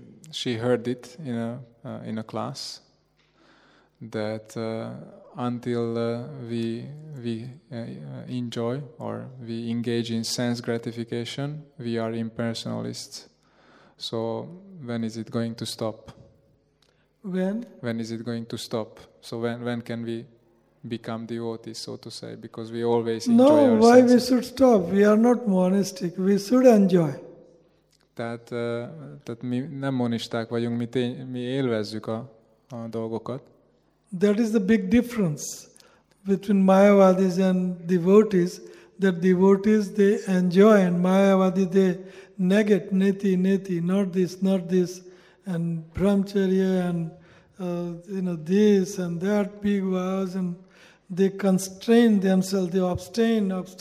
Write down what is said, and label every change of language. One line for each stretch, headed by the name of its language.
English: She heard it in a class that until we enjoy or we engage in sense gratification, we are impersonalists. So when is it going to stop? When? When is it going to stop? So when can we become devotees, so to say, because we always enjoy no, ourselves. No, why we should stop? We are not monistic. We should enjoy.
Hungarian: Tehát mi nem monisták vagyunk, mi élvezzük a dolgokat.
English: That is the big difference between Mayavadis and devotees. The devotees, they enjoy, and Mayavadi, they negate, neti, neti, not this, and brahmacharya, and this and that, big vows, and they constrain themselves, they abstain.